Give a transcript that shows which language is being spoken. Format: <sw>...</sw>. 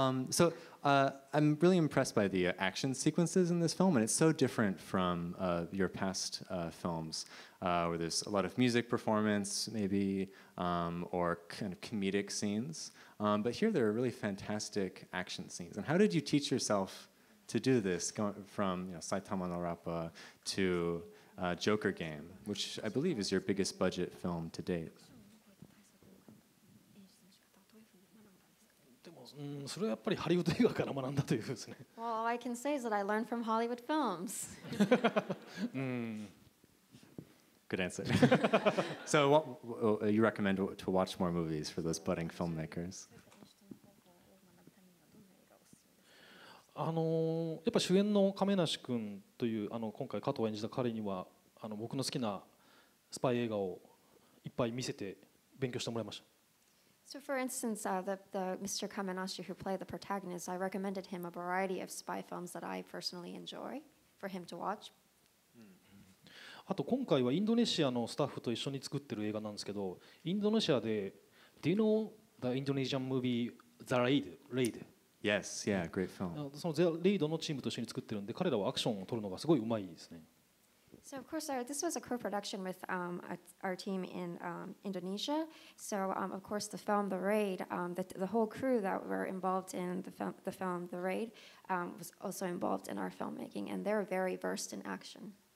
<en>So I'm really impressed by the action sequences in this film, and it's so different from your past films, where there's a lot of music performance, maybe, or kind of comedic scenes. But here there are really fantastic action scenes. And how did you teach yourself to do this, going from you know, Saitama no Rappa to Joker Game, which I believe is your biggest budget film to date?</en> <ja>それはやっぱりハリウッド映画から学んだというふうですね。</ja> <en>Well, all I can say is that I learned from Hollywood films. Good answer. So, what you recommend to watch more movies for those budding filmmakers?</en> <ja>やっぱ主演の亀梨君というあの今回加藤演じた彼にはあの僕の好きなスパイ映画をいっぱい見せて勉強してもらいました。</ja> <en>So for instance, the Mr. Kamenashi who played the protagonist, I recommended him a variety of spy films that I personally enjoy for him to watch.</en> <ja>あと今回はインドネシアのスタッフと一緒に作ってる映画なんですけど、インドネシアで、</ja> <en>Do you know the Indonesian movie The Raid? Raid? Yes, yeah, great film.</en> <ja>そのRaidのチームと一緒に作ってるんで、彼らはアクションを撮るのがすごい上手いですね。</ja> <en>So of course, this was a co-production with our team in Indonesia. So of course, the film The Raid, the whole crew that were involved in the film The Raid was also involved in our filmmaking, and they're very versed in action.</en>